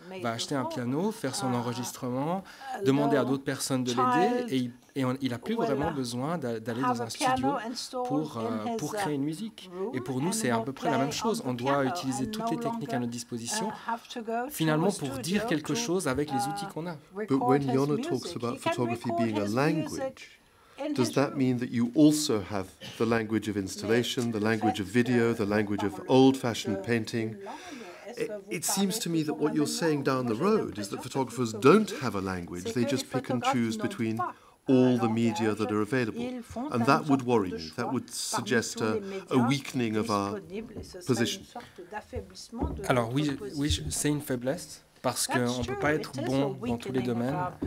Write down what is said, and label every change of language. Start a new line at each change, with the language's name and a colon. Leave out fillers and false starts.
French: va acheter un piano, faire son enregistrement, demander à d'autres personnes de l'aider, et il n'a plus vraiment besoin d'aller dans un studio pour créer une musique. Et pour nous, c'est à peu près la même chose. On doit utiliser toutes les techniques à notre disposition, finalement, pour dire quelque chose avec les outils qu'on a. Mais quand
English: Jona talks about photography being a language, does that mean that you also have the language of installation, the language of video, the language of old-fashioned painting? It seems to me that what you're saying down the road is that photographers don't have a language. They just pick and choose between all the media that are available. And that would worry me. That would suggest a weakening of our position.
French: Alors oui, oui, c'est une faiblesse, parce qu'on ne peut pas être bon dans tous les domaines.